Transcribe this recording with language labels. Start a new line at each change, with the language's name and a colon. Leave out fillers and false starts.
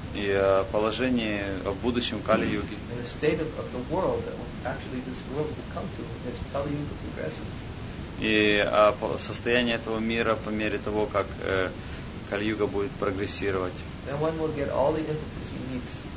Russian: И о положении о будущем Кали-Юги.
English: In the state of the world that actually this world will come to as Kali Yuga progresses.
Russian: И о состоянии этого мира по мере того, как Кали-Юга будет прогрессировать.
English: Then one will get all the impetus he needs.